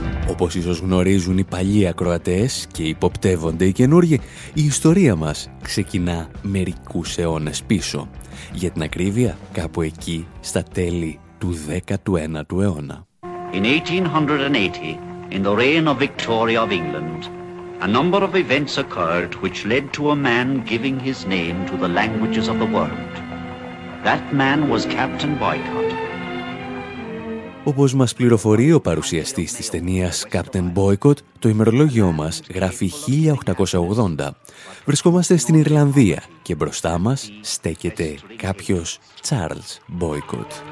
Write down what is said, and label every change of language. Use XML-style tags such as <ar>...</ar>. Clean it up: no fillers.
<el>Όπως ίσως γνωρίζουν οι παλιοί ακροατές και υποπτεύονται οι καινούργοι, η ιστορία μας ξεκινά μερικούς αιώνες πίσω. Για την ακρίβεια, κάπου εκεί, στα τέλη του 19ου αιώνα.</el> <en>In 1880, in the reign of Victoria of England, a number of events occurred which led to a man giving his name to the languages of the world. That man was Captain Boycott.</en> <el>Όπως μας πληροφορεί ο παρουσιαστής της ταινίας Captain Boycott, το ημερολόγιο μας γράφει 1880. Βρισκόμαστε στην Ιρλανδία και μπροστά μας στέκεται κάποιος Charles Boycott.</el>